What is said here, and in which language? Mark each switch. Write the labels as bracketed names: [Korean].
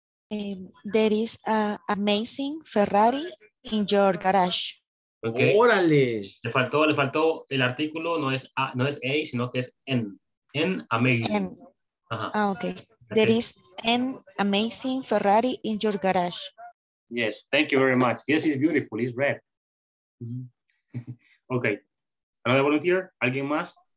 [English] There is an amazing Ferrari in your garage. Okay. [Spanish] ¡Órale! Le faltó el artículo, no es sino que es en. [English] En amazing. En. [Spanish] Ajá. Ah, okay. [English] There is an amazing Ferrari in your garage. Yes, thank you very much. Yes, it's beautiful, it's red. Mm-hmm. Okay. Another volunteer? [Spanish] ¿Alguien más?